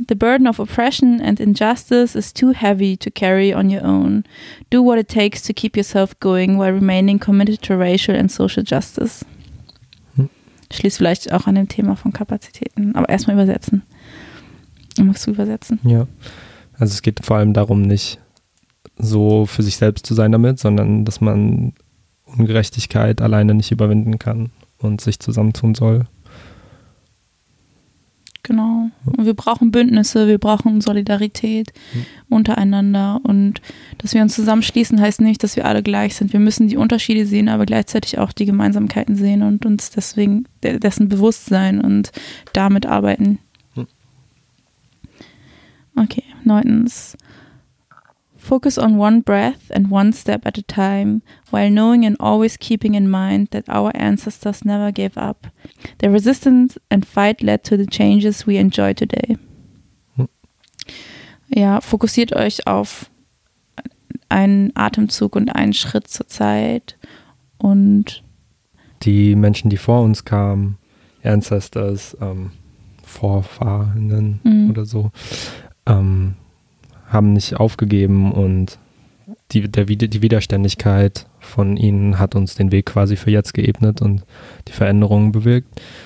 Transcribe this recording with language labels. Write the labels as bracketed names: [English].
[English] The burden of oppression and injustice is too heavy to carry on your own. Do what it takes to keep yourself going while remaining committed to racial and social justice. [German] Schließt vielleicht auch an dem Thema von Kapazitäten. Aber erstmal übersetzen. Magst du übersetzen? Ja. Also es geht vor allem darum, nicht so für sich selbst zu sein damit, sondern dass man Ungerechtigkeit alleine nicht überwinden kann und sich zusammentun soll. Genau. Und wir brauchen Bündnisse, wir brauchen Solidarität untereinander. Und dass wir uns zusammenschließen, heißt nicht, dass wir alle gleich sind. Wir müssen die Unterschiede sehen, aber gleichzeitig auch die Gemeinsamkeiten sehen und uns deswegen dessen bewusst sein und damit arbeiten. Okay, neuntens. [English] Focus on one breath and one step at a time, while knowing and always keeping in mind that our ancestors never gave up. Their resistance and fight led to the changes we enjoy today. [German] Ja, fokussiert euch auf einen Atemzug und einen Schritt zur Zeit. Und die Menschen, die vor uns kamen, Ancestors, Vorfahren oder so, haben nicht aufgegeben und die Widerständigkeit von ihnen hat uns den Weg quasi für jetzt geebnet und die Veränderungen bewirkt.